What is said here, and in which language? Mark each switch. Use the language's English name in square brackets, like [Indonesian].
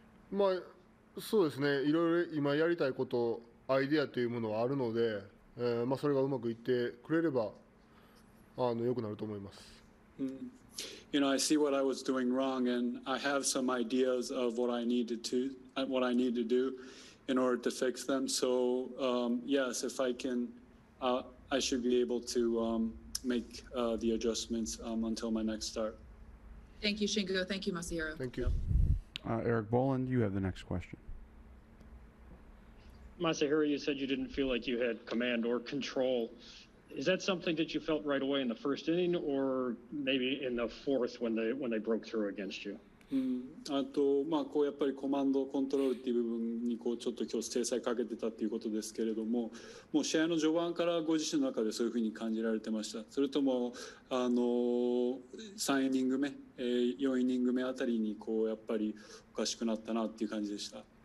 [Japanese] まあ、そうですね、いろいろ今やりたいこと、アイデアというものはあるので、まあ、それがうまくいってくれれば、よくなると思います。 [English] You know, I see what I was doing wrong, and I have some ideas of what I need to do in order to fix them. So, yes, if I can, I should be able to make the adjustments until my next start. Thank you, Shingo. Thank you, Masahiro. Thank you. Eric Boland, you have the next question. Masahiro, you said you didn't feel like you had command or control. Is that something that you felt right away in the first inning, or maybe in the fourth when they broke through against you? [Japanese] まあ、こうやっぱりコマンドコントロールっていう部分にこうちょっと今日制裁かけてたっていうことですけれども、もう試合の序盤からご自身の中でそういうふうに感じられてました？それとも3イニング目、4イニング目あたりにこうやっぱりおかしくなったなっていう感じでした？